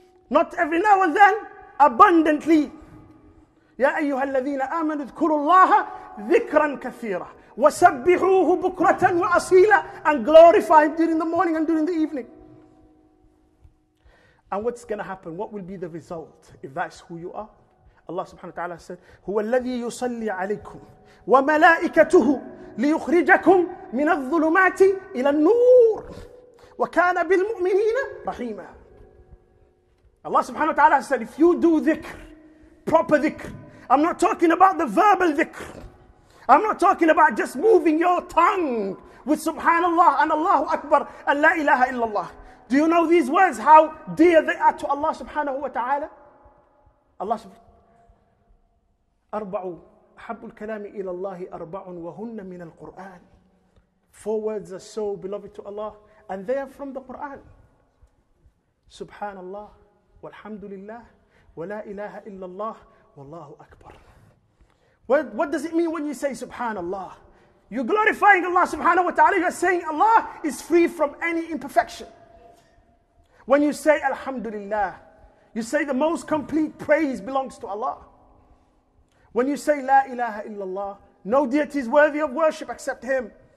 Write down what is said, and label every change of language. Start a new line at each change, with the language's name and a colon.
English: Not every now and then, abundantly.
Arabic: يَا أَيُّهَا الَّذِينَ آمَنُوا اذْكُرُوا اللَّهَ ذِكْرًا كَثِيرًا وَسَبِّحُوهُ بُكْرَةً وَأَصِيلًا.
English: And glorify Him during the morning and during the evening. And what's going to happen? What will be the result if that's who you are?
Arabic: Allah subhanahu wa ta'ala said, هُوَ الَّذِي يُصَلِّي عَلَيْكُمْ وَمَلَائِكَتُهُ لِيُخْرِجَكُمْ مِنَ الظُّلُمَاتِ إِلَى النُّورِ وَكَانَ بِالْمُؤْمِنِينَ رَحِيمًا.
English: Allah subhanahu wa ta'ala said, if you do dhikr, proper dhikr, I'm not talking about the verbal dhikr. I'm not talking about just moving your tongue with subhanallah and Allahu Akbar and la ilaha illallah. Do you know these words, how dear they are to Allah subhanahu wa ta'ala?
Arabic: Allah subhanahu wa ta'ala. أَرْبَعُ أَحَبُّ الْكَلَامِ إِلَى اللَّهِ أَرْبَعٌ وَهُنَّ مِنَ الْقُرْآنِ.
English: Four words are so beloved to Allah and they are from the Quran.
Arabic: Subhanallah. والحمد لله ولا إله إلا الله والله أكبر.
English: What does it mean when you say Subhanallah? You're glorifying Allah Subhanahu wa Taala. You're saying Allah is free from any imperfection. When you say Alhamdulillah, you say the most complete praise belongs to Allah. When you say La ilaha illallah, no deity is worthy of worship except Him.